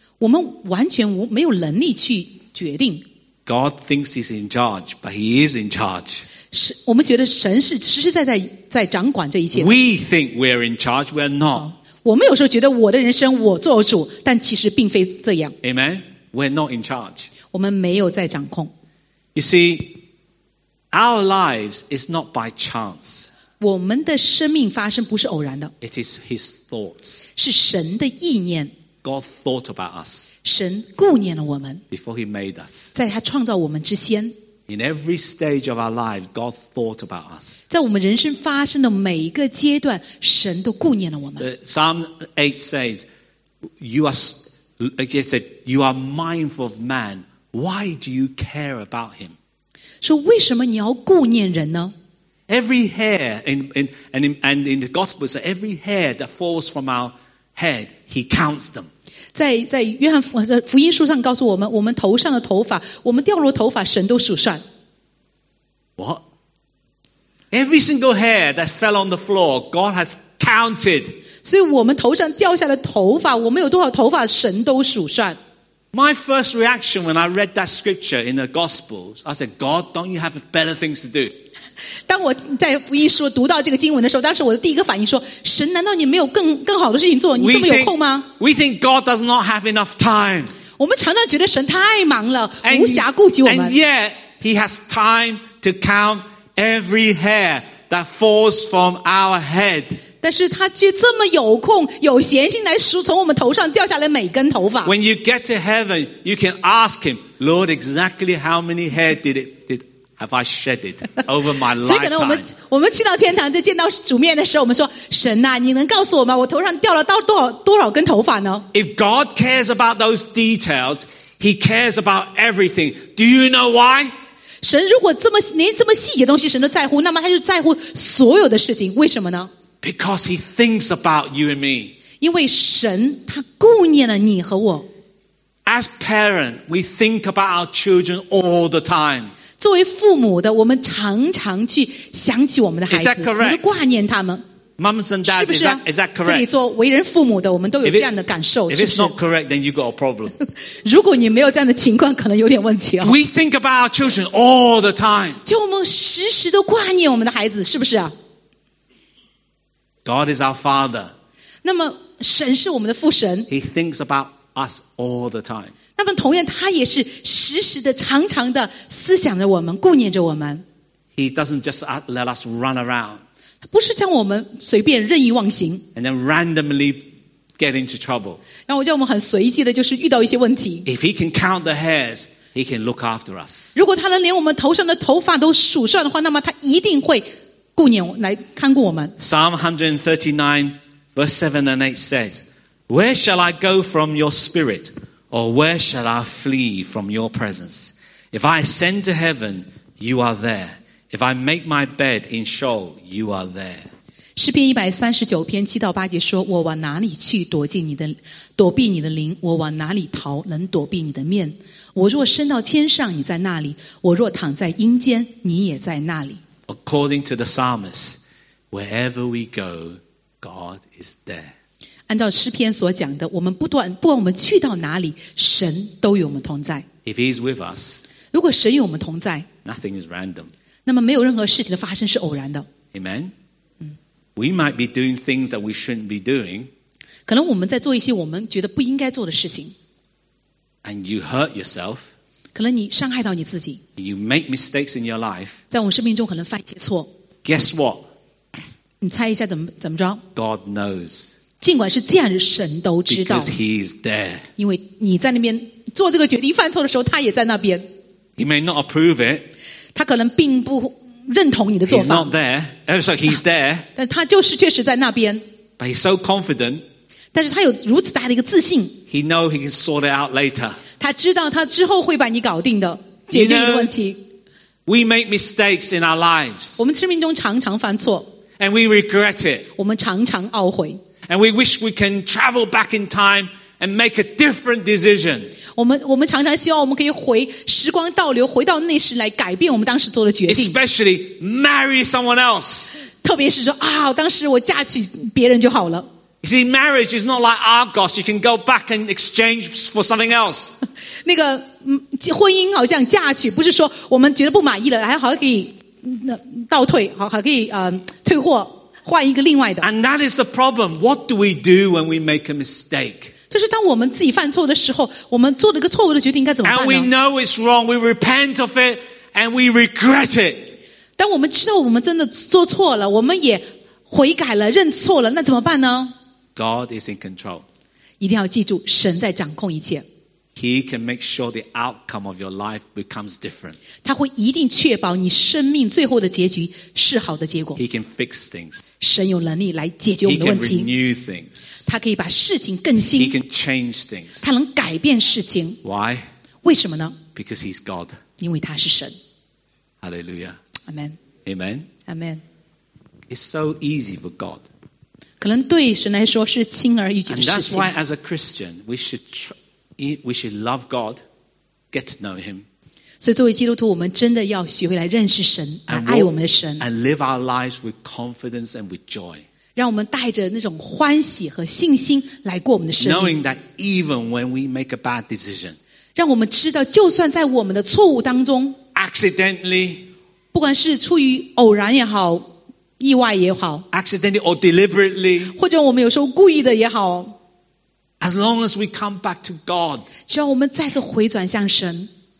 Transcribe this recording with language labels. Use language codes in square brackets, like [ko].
[zh] 我们完全没有能力去决定。 [en] God thinks he's in charge, but he is in charge. [zh] 我们觉得神是实实在在在掌管这一切。 [en] We think we're in charge, we're not. [zh] 我们有时候觉得我的人生我做主，但其实并非这样。 [en] Amen? We're not in charge. [zh] 我们没有在掌控。 [en] You see, our lives is not by chance. [zh] 我们的生命发生不是偶然的。 [en] It is His thoughts. [zh] 是神的意念。 [en] God thought about us. [zh] 神顾念了我们。 [en] Before He made us. [zh] 在他创造我们之先。 [en] In every stage of our life, God thought about us. [zh] 在我们人生发生的每一个阶段，神都顾念了我们。 [en] Psalm 8 says, you are mindful of man. Why do you care about him? [zh] 说为什么你要顾念人呢？ [en] Every hair in the Gospels, every hair that falls from our head, he counts them. [zh] 在约翰福音书上告诉我们，我们头上的头发，我们掉落头发，神都数算。 [en] What? Every single hair that fell on the floor, God has counted. [zh] 所以我们头上掉下的头发，我们有多少头发，神都数算。 [en] My first reaction when I read that scripture in the Gospels, I said, God, don't you have better things to do? [zh] 当我在福音书读到这个经文的时候，当时我的第一个反应说，神，难道你没有更好的事情做？你这么有空吗？ [en] We think God does not have enough time. [zh] 我们常常觉得神太忙了，无暇顾及我们。 [en] And yet, He has time to count every hair that falls from our head. [zh] 但是他却这么有空有闲心来数从我们头上掉下来每根头发。 [en] When you get to heaven, you can ask him, Lord, exactly how many hair have I shed it over my lifetime? [zh] 所以可能我们去到天堂就见到主面的时候，我们说，神啊，你能告诉我吗？我头上掉了到多少根头发呢？ [en] If God cares about those details, he cares about everything. Do you know why? [zh] 神如果这么连这么细节的东西神都在乎，那么他就在乎所有的事情，为什么呢？ [en] Because he thinks about you and me. [zh] 因为神他顾念了你和我。 [en] As parents, we think about our children all the time. [zh] 作为父母的，我们常常去想起我们的孩子。 [en] Is that correct? [zh] 我们都挂念他们。 [en] Moms and dads, [zh] 是不是啊？ [en] is that correct? [zh] 这里做为人父母的，我们都有这样的感受，是不是？ [en] If it's not correct, then you got a problem. [zh] 如果你没有这样的情况，可能有点问题哦。 [en] We think about our children all the time. [zh] 就我们时时都挂念我们的孩子，是不是啊？ [en] God is our Father. [zh] 那么神是我们的父神。 [en] He thinks about us all the time. [zh] 那么同样他也是时时的常常的思想着我们，顾念着我们。 [en] He doesn't just let us run around. [zh] 他不是将我们随便任意妄行。 [en] And then randomly get into trouble. [zh] 然后叫我们很随机的就是遇到一些问题。 [en] If he can count the hairs, he can look after us. [zh] 如果他能连我们头上的头发都数算的话，那么他一定会顾念来看顾我们。 [en] Psalm 139 verse 7 and 8 says, Where shall I go from your spirit? Or where shall I flee from your presence? If I ascend to heaven, you are there. If I make my bed in Sheol, you are there. [zh] 诗篇139篇7到8节说，我往哪里去躲进你的，躲避你的灵，我往哪里逃能躲避你的面，我若升到天上，你在那里，我若躺在阴间，你也在那里。 [en] According to the psalmist, wherever we go, God is there. [zh] 按照诗篇所讲的，我们不管我们去到哪里，神都与我们同在。 [en] If he's with us, [zh] 如果神与我们同在， [en] nothing is random. [zh] 那么没有任何事情的发生是偶然的。 [en] Amen. We might be doing things that we shouldn't be doing. [zh] 可能我们在做一些我们觉得不应该做的事情。 [en] And you hurt yourself. [zh] 可能你伤害到你自己。 [en] You make mistakes in your life. [zh] 在我们生命中可能犯一些错。 [en] Guess what? [zh] 你猜一下怎么着？ [en] God knows. [zh] 尽管是这样，神都知道。 [en] Because he is there. [zh] 因为你在那边做这个决定犯错的时候，他也在那边。 [en] He may not approve it. [zh] 他可能并不认同你的做法。 [en] He's not there. So he's there. [zh] 但他就是确实在那边。 [en] But he's so confident. [zh] 但是他有如此大的一个自信。 [en] He know he can sort it out later. [zh] 他知道他之后会把你搞定的，解决一个问题。 [en] We make mistakes in our lives. [zh] 我们生命中常常犯错。 [en] And we regret it. [zh] 我们常常懊悔。 [en] And we wish we can travel back in time. And make a different decision. [zh] 我们常常希望我们可以回时光倒流，回到那时来改变我们当时做的决定。 [en] Especially marry someone else. [zh] 特别是说啊，当时我嫁娶别人就好了。 [en] You see, marriage is not like Argos. You can go back and exchange for something else. [zh] 那个婚姻好像嫁娶，不是说我们觉得不满意了，还好可以倒退，还可以退货，换一个另外的。 [en] And that is the problem. What do we do when we make a mistake? [zh] 就是当我们自己犯错的时候，我们做了个错误的决定，该怎么办呢？ [en] And we know it's wrong, we repent of it, and we regret it. [zh] 当我们知道我们真的做错了，我们也悔改了，认错了，那怎么办呢？ [en] God is in control. [zh] 一定要记住，神在掌控一切。 [en] He can make sure the outcome of your life becomes different. [zh] 他会一定确保你生命最后的结局是好的结果。 [en] He can fix things. [zh] 神有能力来解决我们的问题。 [en] He can renew things. [zh] 他可以把事情更新。 [en] He can change things. [zh] 他能改变事情。 [en] Why? [zh] 为什么呢？ [en] Because he's God. [zh] 因为他是神。 [en] Hallelujah. Amen. Amen. Amen. It's so easy for God. [zh] 可能对神来说是轻而易举的事情。 [en] And that's why as a Christian, we should love God, get to know Him. [zh] 所以作为基督徒，我们真的要学会来认识神，来爱我们的神。 [en] And live our lives with confidence and with joy. [zh] 让我们带着那种欢喜和信心来过我们的生命。 [en] Knowing that even when we make a bad decision, [zh] 让我们知道，就算在我们的错误当中 [en] ，accidentally, [zh] 不管是出于偶然也好，意外也好 [en] ，accidentally or deliberately, [zh] 或者我们有时候故意的也好。 [en] As long as we come back to God, [zh] 只要我们再次回转向神，